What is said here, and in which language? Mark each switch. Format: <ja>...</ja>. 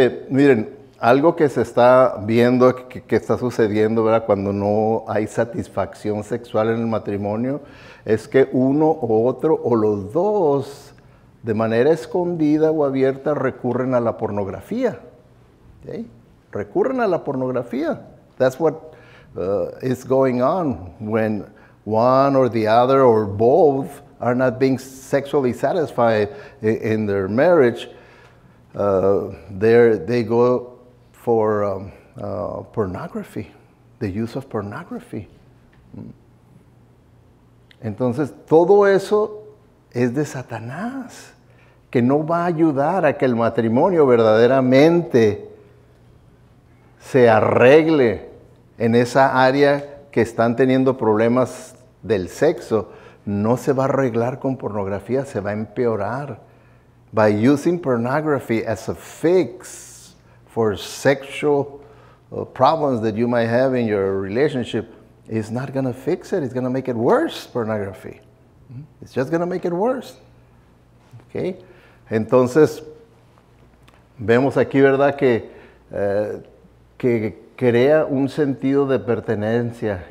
<es>Miren, algo que se está viendo, que está sucediendo, ¿verdad? Cuando no hay satisfacción sexual en el matrimonio, es que uno o otro, o los dos, de manera escondida o abierta, recurren a la pornografía. ¿Okay? Recurren a la pornografía.</es> <en>That's what is going on when one or the other or both are not being sexually satisfied in their marriage, they go for pornography, the use of pornography.</en> <es>Entonces, todo eso es de Satanás, que no va a ayudar a que el matrimonio verdaderamente se arregle en esa área que están teniendo problemas del sexo, no se va a arreglar con pornografía, se va a empeorar.</es> <en>By using pornography as a fix for sexual problems that you might have in your relationship, it's not going to fix it, it's going to make it worse, pornography. It's just going to make it worse. Okay?</en> <es>Entonces, vemos aquí, ¿verdad?, que crea un sentido de pertenencia.</es>